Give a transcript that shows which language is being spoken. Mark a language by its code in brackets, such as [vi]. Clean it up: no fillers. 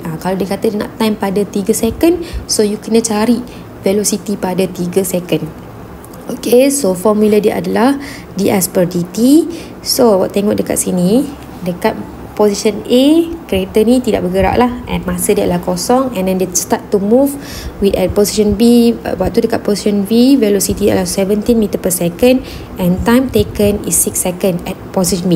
[ms] Kalau dia kata dia nak time pada 3 second, so you kena cari velocity pada 3 second. Okay, so formula dia adalah ds per dt. So, awak tengok dekat sini. Dekat position A, kereta ni tidak bergerak lah. And masa dia adalah kosong. [en] And then [ms] dia [en] start to move with at position B. [ms] Waktu dekat position B, velocity adalah 17 meter per second. [en] And time taken is 6 second at position B.